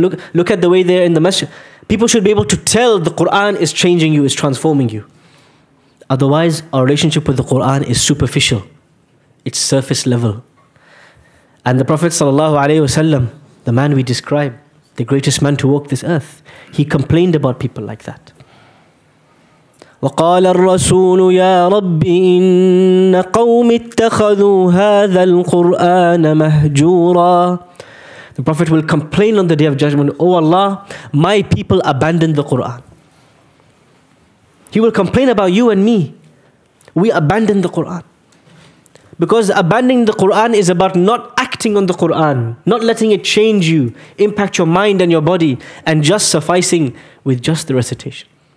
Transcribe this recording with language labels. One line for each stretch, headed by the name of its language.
English: Look at the way they're in the masjid. People should be able to tell the Quran is changing you, is transforming you. Otherwise, our relationship with the Quran is superficial. It's surface level. And the Prophet sallallahu alayhi wasallam, the man we describe, the greatest man to walk this earth, he complained about people like that.
Arabic: وقال الرسول يا ربي إن قوم اتخذوا هذا القرآن مهجورا.
English: The Prophet will complain on the Day of Judgment, "Oh Allah, my people abandoned the Quran." He will complain about you and me. We abandoned the Quran. Because abandoning the Quran is about not acting on the Quran, not letting it change you, impact your mind and your body, and just sufficing with just the recitation.